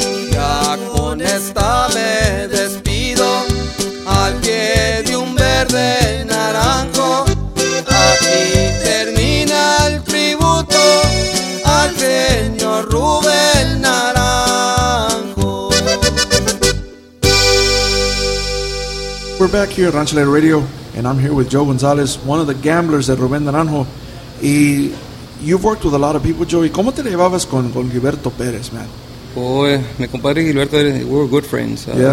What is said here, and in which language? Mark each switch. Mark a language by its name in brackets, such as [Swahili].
[Spanish] Ya con esta me despido al pie de un verde naranjo. Aquí termina el tributo al señor Rubén Naranjo. [English] We're back here at Rancho Lero Radio. And I'm here with Joe Gonzales, one of the gamblers at Rubén Naranjo. Y you've worked with a lot of people, Joe. [Spanish] ¿Cómo te llevabas con Gilberto Pérez, man? [English] Oh, [Spanish] mi compadre [English] Gilberto, we were good friends.